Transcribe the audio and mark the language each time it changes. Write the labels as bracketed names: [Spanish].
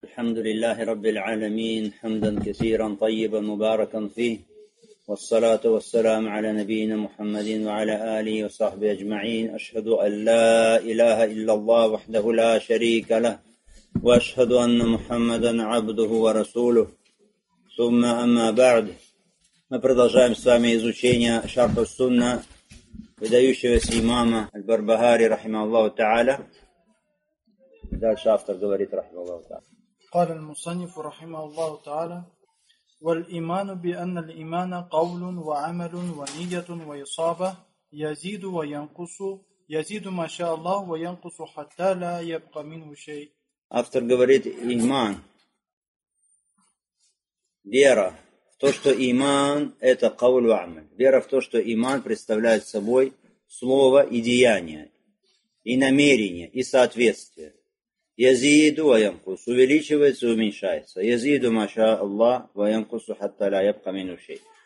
[Arabic] الحمد لله رب العالمين حمدا كثيرا طيبا مباركا فيه والصلاة والسلام على نبينا محمد وعلى آله وصحبه أجمعين. أشهد أن لا إله إلا الله وحده لا شريك له وأشهد أن محمدا عبده ورسوله. ثم أما بعد, [Russian] мы продолжаем с вами изучение шарх ас-сунна выдающегося имама аль-Барбахари [Arabic] رحمه الله تعالى. [Russian] Дальше автор говорит [Arabic] رحمه الله تعالى. قال المصنف رحمه الله تعالى والإيمان بأن الإيمان قول وعمل ونية وإصابة يزيد وينقص يزيد ما شاء الله وينقص حتى لا يبقى منه شيء. [Russian] Автор говорит, иман, вера в то, что иман – это [Arabic] قول وعمل. [Russian] Вера в то, что иман представляет собой слово и деяние, и намерение, и соответствие. [Arabic] Язиду ваянкус, [Russian] увеличивается и уменьшается. [Arabic] Язиду маша Аллах ваянкусу хатта ля ябка минушей.